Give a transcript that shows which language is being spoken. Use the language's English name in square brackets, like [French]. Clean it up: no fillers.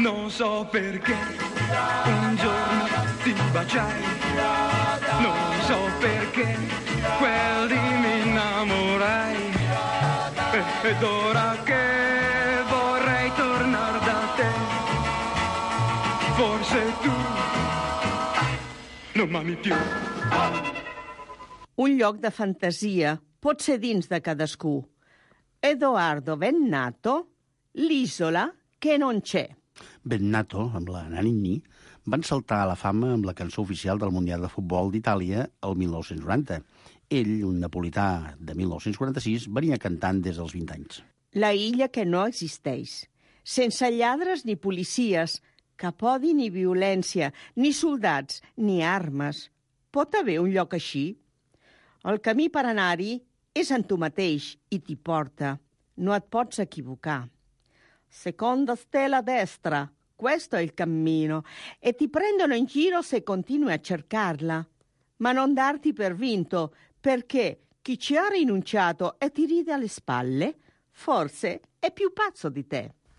[Italian] Non so perché un giorno ti baciai, non so perché quel di mi innamorai, ed ora che vorrei tornare da te, forse tu non m'ami più. [Catalan] Un lloc de fantasia, pot ser dins de cadascú. [Italian] Edoardo Bennato, L'isola che non c'è. [Catalan] Bennato, amb la Nannini, van saltar a la fama amb la cançó oficial del Mundial de Futbol d'Itàlia el 1990. Ell, un napolità de 1946, venia cantant des dels 20 anys. La illa que no existeix. Sense lladres ni policies, cap odi ni violència, ni soldats, ni armes. Pot haver un lloc així? El camí per anar-hi és en tu mateix i t'hi porta. No et pots equivocar. [Italian] Seconda stella destra, questo è il cammino. E ti prendono in giro se continui a cercarla. Ma non darti per vinto, perché chi ci ha rinunciato e ti ride alle spalle, forse è più pazzo di te.